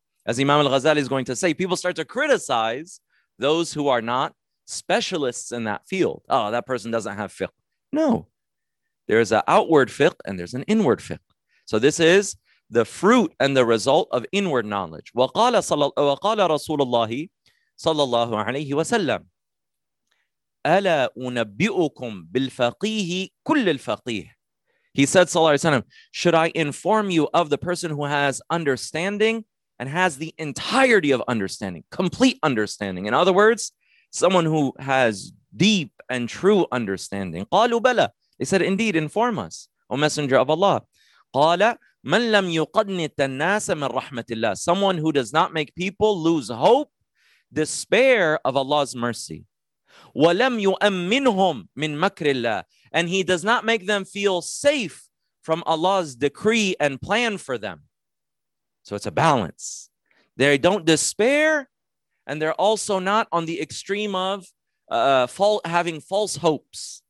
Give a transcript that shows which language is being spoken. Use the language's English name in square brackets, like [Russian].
[English] As Imam al-Ghazali is going to say, people start to criticize those who are not specialists in that field. Oh, that person doesn't have fiqh. No. There is an outward fiqh and there's an inward fiqh. So this is the fruit and the result of inward knowledge. [Arabic] وَقَالَ رَسُولُ اللَّهِ صلى الله عليه وسلم ألا أنبئكم بالفقيه كل الفقيه. [English] He said, [Arabic] صلى الله عليه وسلم, [English] should I inform you of the person who has understanding and has the entirety of understanding, complete understanding. In other words, someone who has deep and true understanding. [Arabic] قالوا بلى. [English] They said, indeed, inform us, O Messenger of Allah. [Arabic] قال من لم يقنط الناس من رحمة الله. [English] Someone who does not make people lose hope, despair of Allah's mercy. [Arabic] ولم يؤمنهم من مكر الله. [English] And he does not make them feel safe from Allah's decree and plan for them. So it's a balance. They don't despair, and they're also not on the extreme of having false hopes.